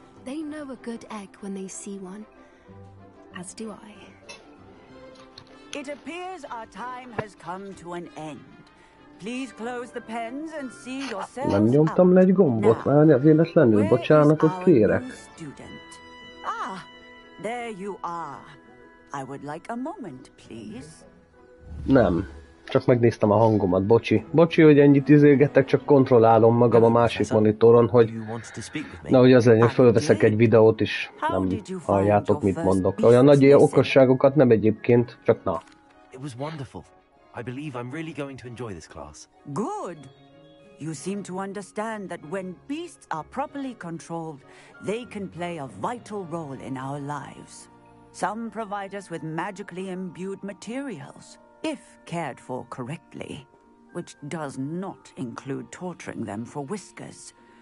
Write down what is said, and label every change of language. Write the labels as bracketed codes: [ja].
[en] They know a good egg when they see one. As do I. It appears our time has come to an end. Please close the pens and see yourselves. [hu] Nem nyomtam le egy gombot, várj, véletlenül, bocsánatot kérek. [en] Ah, there you are. I would like a moment, please. [hu] Nem. Csak megnéztem a hangomat, bocsi. Bocsi, hogy ennyit izélgetek, csak kontrollálom magam a másik monitoron, hogy... Na, hogy az lenne, fölveszek egy videót, és nem halljátok, mit mondok. Olyan nagy okosságokat nem egyébként, csak na. [en] It was wonderful. I believe I'm really going to enjoy this class. Good. You seem to understand that when beasts are properly controlled, they can play a vital role in our lives. Some provide us with magically imbued materials. If cared for correctly, which does not include torturing them for whiskers.